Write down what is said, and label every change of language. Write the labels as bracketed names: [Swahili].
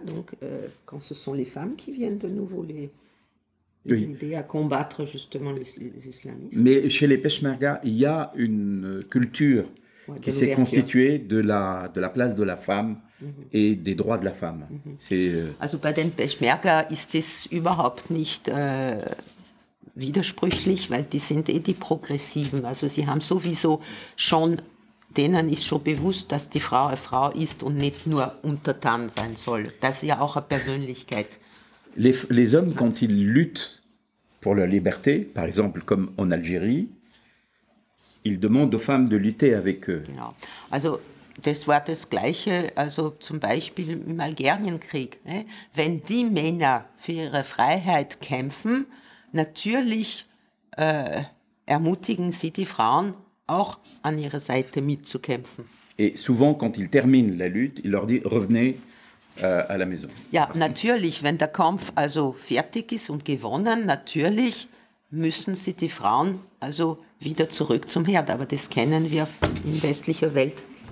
[French] Donc, quand ce sont les femmes qui viennent de nouveau les aider à combattre justement les islamistes. Mais chez les Peshmerga, il y a une culture qui s'est constituée de la place de la femme et des droits de la femme. [German] Also, bei den Peshmerga ist es überhaupt nicht. Widersprüchlich, weil die sind die Progressiven. Also sie haben sowieso schon, denen ist schon bewusst, dass die Frau eine Frau ist und nicht nur untertan sein soll. Das ist ja auch eine Persönlichkeit. [French] Les hommes, quand ils luttent pour leur liberté, par exemple comme en Algérie, ils demandent aux femmes de lutter avec eux. [German] Genau. Also das war das Gleiche, also zum Beispiel im Algerienkrieg. Wenn die Männer für ihre Freiheit kämpfen, natürlich ermutigen sie die Frauen auch an ihrer Seite mitzukämpfen. [French] Et souvent, quand ils terminent la lutte, il leur dit « revenez à la maison ». [German] Ja, natürlich, wenn der Kampf also fertig ist und gewonnen, natürlich müssen sie die Frauen also wieder zurück zum Herd. Aber das kennen wir in westlicher Welt.